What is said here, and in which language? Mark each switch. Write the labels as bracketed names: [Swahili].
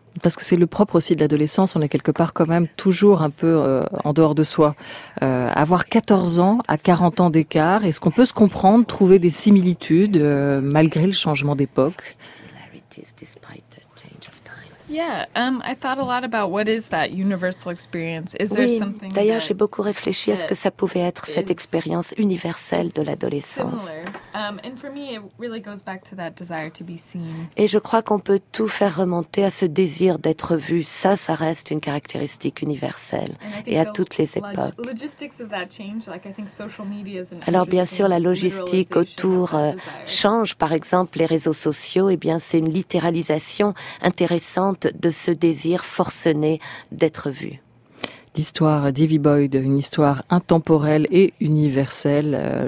[French] Parce que c'est le propre aussi de l'adolescence, on est quelque part quand même toujours un peu en dehors de soi. Avoir 14 ans à 40 ans d'écart, est-ce qu'on peut se comprendre, trouver des similitudes malgré le changement d'époque ? [English] I thought a lot about what is that universal experience. Is there something? [French] Oui, d'ailleurs, j'ai beaucoup réfléchi à ce que ça pouvait être cette expérience universelle de l'adolescence. [English] And for me, it really goes back to that desire to be seen. [French] Et je crois qu'on peut tout faire remonter à ce désir d'être vu. Ça reste une caractéristique universelle et à toutes les époques. [English] Logistics of that change, like I think social media is an. [French] Alors bien sûr, la logistique autour change. Par exemple, les réseaux sociaux, et bien c'est une littéralisation intéressante de ce désir forcené d'être vu. L'histoire d'Evie Boyd, une histoire intemporelle et universelle.